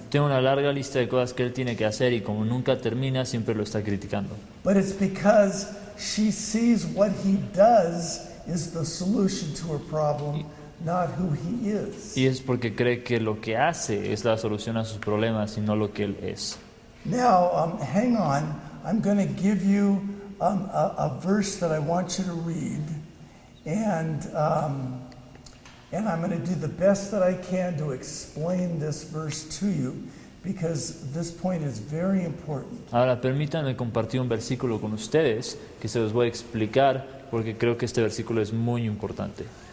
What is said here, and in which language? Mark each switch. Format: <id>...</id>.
<es>Tiene una larga lista de cosas que él tiene que hacer, y como nunca termina, siempre lo está criticando.</es> <en>But it's because she sees what he does is the solution to her problem. Not who he is.</en> <es>Y es porque cree que lo que hace es la solución a sus problemas y no lo que él es.</es> <en>Now, hang on. I'm going to give you a verse that I want you to read. And I'm going to do the best that I can to explain this verse to you, because this point is very important.</en> <es>Ahora, permítanme compartir un versículo con ustedes que se los voy a explicar, porque creo que este versículo es muy importante.</es>